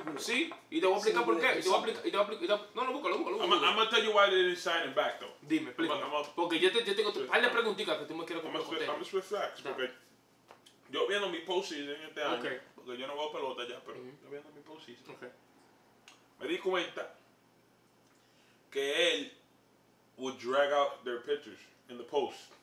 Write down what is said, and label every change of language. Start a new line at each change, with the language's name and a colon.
Spanish: Sí, y te voy a explicar por qué.
English: I'm gonna tell you why they didn't sign him back, though.
Spanish: Dime, please. Porque yo tengo un par de preguntitas que tú me quieres comprar.
English: I'm just with facts,
Spanish: porque yo viendo mi postseason este año, porque yo no veo pelota ya, pero yo viendo mi postseason, me di cuenta que él
English: would drag out their pitchers in the post.